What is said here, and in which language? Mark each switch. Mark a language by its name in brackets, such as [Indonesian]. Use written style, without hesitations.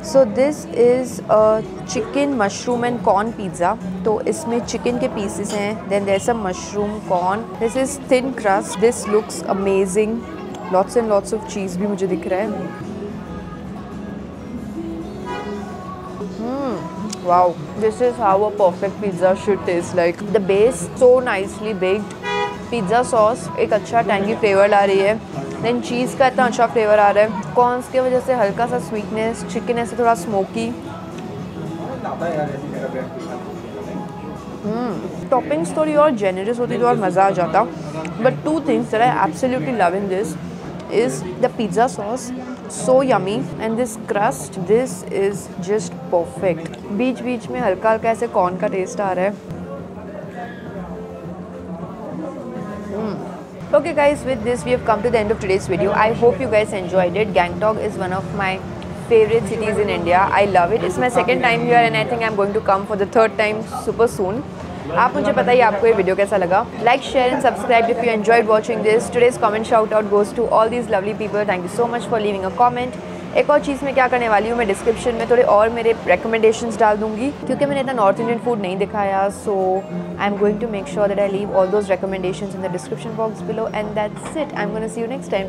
[English] So this is a chicken mushroom and corn pizza. [Hindi] तो इसमें chicken के pieces हैं, [English] Then there is some mushroom corn. This is thin crust, this looks amazing. Lots and lots of cheese [Hindi] भी मुझे दिख रहा है. [English] Wow, this is how a perfect pizza should taste like. The base so nicely baked, [Hindi] pizza sauce एक अच्छा tangy flavor ला रही है, then cheese का इतना अच्छा flavor आ रहा है, corns के वजह से हल्का सा sweetness, chicken ऐसे थोड़ा smoky. Toppings थोड़ी और generous होती तो और मज़ा आ जाता. [English] But two things that I absolutely love in this is the pizza sauce. So yummy, and this crust, this is just perfect. [Hindi] बीच बीच में हल्का हल्का ऐसे कॉर्न का टेस्ट आ रहा है. [English] Okay guys, with this we have come to the end of today's video. I hope you guys enjoyed it. Gangtok is one of my favorite cities in India. I love it. It's my second time here and I think I'm going to come for the third time super soon. [Hindi] आप मुझे पता ही आपको ये video कैसा लगा. [English] Like share and subscribe if you enjoyed watching this. Today's comment shout out goes to all these lovely people. Thank you so much for leaving a comment. [Hindi] एक और चीज़ मैं क्या करने वाली हूँ, मैं डिस्क्रिप्शन में थोड़े और मेरे रिकमेंडेशंस डाल दूंगी, क्योंकि मैंने इतना नॉर्थ इंडियन फूड नहीं दिखाया. [English] So I am going to make sure that I leave all those recommendations in the description box below. And that's it. I am going to see you next time.